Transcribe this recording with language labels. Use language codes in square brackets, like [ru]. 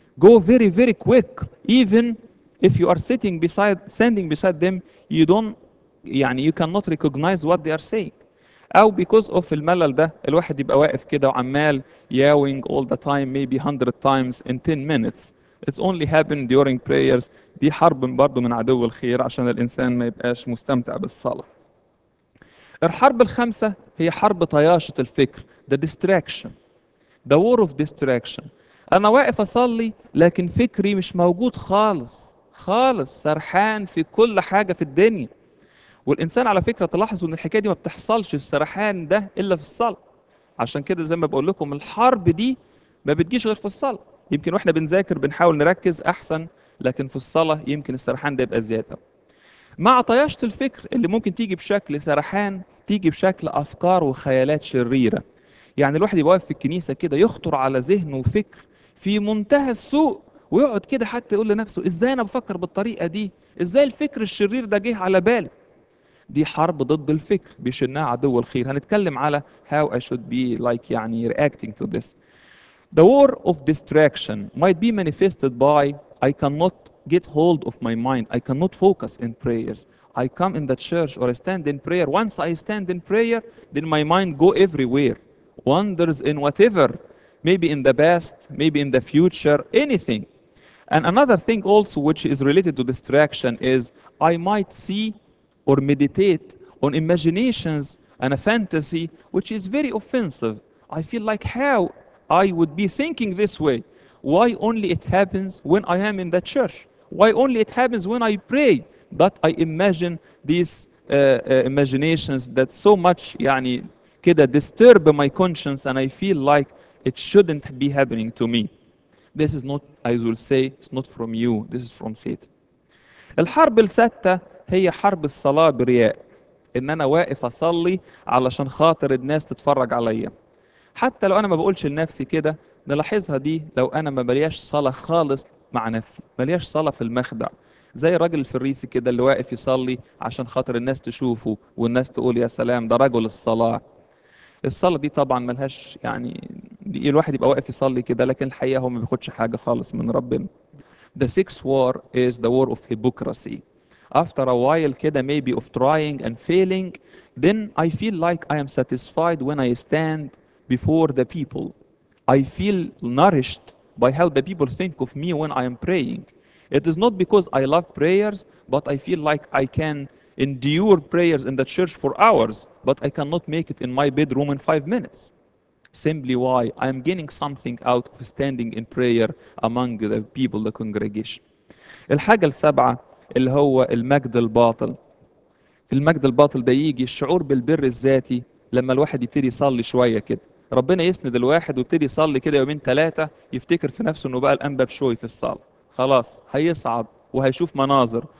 [en] Go very, very quick. Even if you are standing beside them, you don't, يعني you cannot recognize what they are saying. [ar] أو [en] because of [ar] الملل ده، الواحد يبقى واقف كده وعمال [en] yawing all the time, maybe 100 times in 10 minutes. It's only happen during prayers. [ar] دي حرب برضو من عدو الخير عشان الإنسان ما يبقاش مستمتع بالصلاة. الحرب الخامسة هي حرب طياشة الفكر، [en] the distraction, the war of distraction. [ar] أنا واقف أصلي لكن فكري مش موجود خالص خالص، سرحان في كل حاجة في الدنيا. والإنسان على فكرة تلاحظ إن الحكاية دي ما بتحصلش، السرحان ده إلا في الصلاة. عشان كده زي ما بقول لكم الحرب دي ما بتجيش غير في الصلاة. يمكن واحنا بنذاكر بنحاول نركز احسن، لكن في الصلاه يمكن السرحان ده يبقى زياده. مع طياشه الفكر اللي ممكن تيجي بشكل سرحان، تيجي بشكل افكار وخيالات شريره. يعني الواحد يبقى واقف في الكنيسه كده يخطر على ذهنه وفكر في منتهى السوء، ويقعد كده حتى يقول لنفسه ازاي انا بفكر بالطريقه دي؟ ازاي الفكر الشرير ده جه على بالي؟ دي حرب ضد الفكر بيشنها عدو الخير. هنتكلم على [en] how I should be like [ar] يعني [en] reacting to this. The war of distraction might be manifested by I cannot get hold of my mind. I cannot focus in prayers. I come in the church or I stand in prayer. Once I stand in prayer, then my mind go everywhere. Wanders in whatever, maybe in the past, maybe in the future, anything. And another thing also which is related to distraction is I might see or meditate on imaginations and a fantasy which is very offensive. I feel like how I would be thinking this way. Why only it happens when I am in the church? Why only it happens when I pray that I imagine these imaginations that so much [ar] يعني كده [en] disturb my conscience and I feel like it shouldn't be happening to me. This is not, I will say, it's not from you. This is from Satan. [ar] الحرب السادسة هي حرب الصلاة برياء. إن أنا واقف أصلي علشان خاطر الناس تتفرج عليا. حتى لو انا ما بقولش لنفسي كده، نلاحظها دي لو انا ما بلياش صلاه خالص مع نفسي، بلياش صلاه في المخدع، زي الراجل الفريسي كده اللي واقف يصلي عشان خاطر الناس تشوفه والناس تقول يا سلام ده رجل الصلاه. الصلاه دي طبعا ملهاش يعني دي، الواحد يبقى واقف يصلي كده لكن الحقيقه هو ما بياخدش حاجه خالص من ربنا. [en] The sixth war is the war of hypocrisy. After a while [ar] كده [en] maybe of trying and failing, then I feel like I am satisfied when I stand before the people. I feel nourished by how the people think of me when I am praying. It is not because I love prayers, but I feel like I can endure prayers in the church for hours, but I cannot make it in my bedroom in 5 minutes. Simply why? I am gaining something out of standing in prayer among the people, the congregation. [ar] الحاجة السابعة اللي هو المجد الباطل. المجد الباطل ده يجي الشعور بالبر الذاتي لما الواحد يبتدي يصلي شوية كده. ربنا يسند الواحد ويبتدي يصلي كده يومين ثلاثة، يفتكر في نفسه انه بقى الانبا بشوي في الصلاة، خلاص هيصعد وهيشوف مناظر.